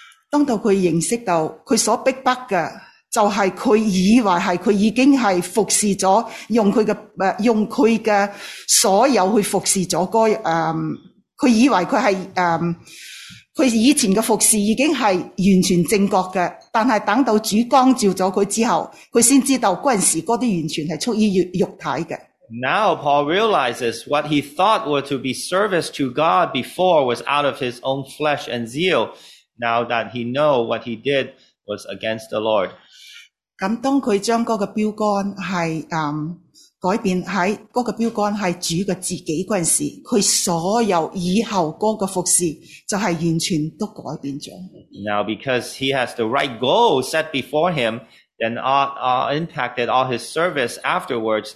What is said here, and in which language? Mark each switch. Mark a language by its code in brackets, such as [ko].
[yue] 当到佢认识到佢所逼迫嘅就系佢以为系佢已经系服侍咗用佢嘅用佢嘅所有去服侍咗该佢以为佢系佢以前嘅服侍已经系完全正确嘅但系等到主光照咗佢之后佢先知道嗰阵时嗰啲完全系出于肉体嘅。 [en] Now Paul realizes what he thought were to be service to God before was out of his own flesh and zeal. Now that he know what he did was against the Lord. [yue] 咁当佢将嗰个标杆系改变喺嗰个标杆系主嘅自己嗰阵时，佢所有以后嗰个服侍就系完全都改变咗。 [en] Now because he has the right goal set before him, then impacted all his service afterwards.